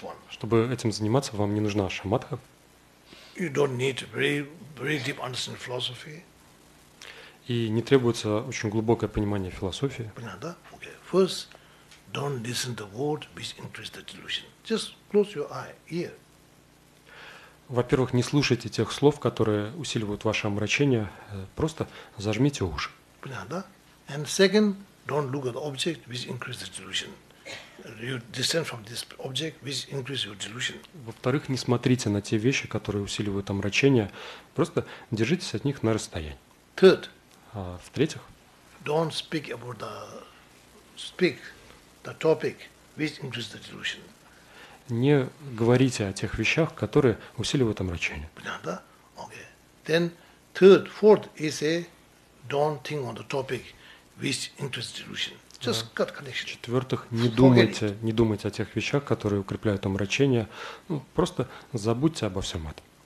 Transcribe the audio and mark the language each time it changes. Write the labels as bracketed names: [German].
[Russian] Чтобы этим заниматься, вам не нужна шамадха. [English] You don't need very, very deep understanding philosophy. [Russian] И не требуется очень глубокое понимание философии. Понятно, да? Okay. [English] First, don't listen to word which increase the delusion. Just close your eye, ear. [Russian] Во-первых, не слушайте тех слов, которые усиливают ваше омрачение. Просто зажмите уши. Понятно, да? [English] And second, don't look at the object which increase the delusion. You descend from this object which increase your delusion. [Russian] Во-вторых, не смотрите на те вещи, которые усиливают омрачение. Просто держитесь от них на расстоянии. [English] Third. [Russian] В-третьих. [English] Don't speak about the topic which increase the delusion. [Russian] Не говорите о тех вещах, которые усиливают омрачение. Понятно, да? Okay. [English] Then third, fourth is a don't think on the topic which increase the delusion. [Russian] В-четвертых, не думайте о тех вещах, которые укрепляют омрачение. Ну, просто забудьте обо всем этом.